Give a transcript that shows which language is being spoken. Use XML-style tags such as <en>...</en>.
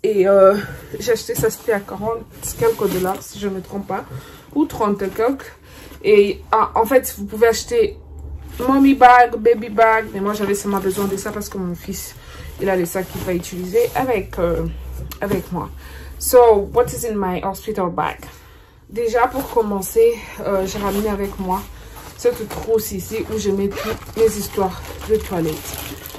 <fr>Et j'ai acheté ça, c'était à 40 quelques dollars, si je ne me trompe pas, ou 30 quelques. Et en fait, vous pouvez acheter</fr> <en>mommy bag, baby bag.</en> <fr>Mais moi, j'avais seulement besoin de ça parce que mon fils, il a les sacs qu'il va utiliser avec moi.</fr> <en>So, what is in my hospital bag?</en> <fr>Déjà, pour commencer, j'ai ramené avec moi cette trousse ici où je mets toutes mes histoires de toilettes.</fr>